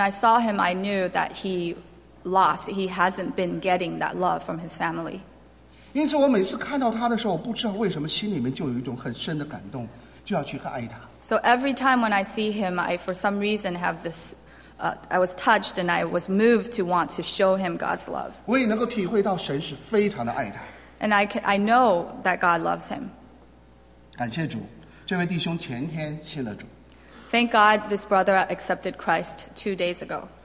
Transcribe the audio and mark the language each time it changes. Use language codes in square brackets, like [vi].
[en] I saw him, I knew that he lost. He hasn't been getting that love from his family. [zh] 因此，我每次看到他的时候，不知道为什么，心里面就有一种很深的感动，就要去爱他。 [en] So every time when I see him, I for some reason have this, I was touched and I was moved to want to show him God's love. [zh] 我也能够体会到神是非常的爱他。 [en] And I know that God loves him. [zh] 感谢主，这位弟兄前天信了主。 [en] Thank God this brother accepted Christ 2 days ago.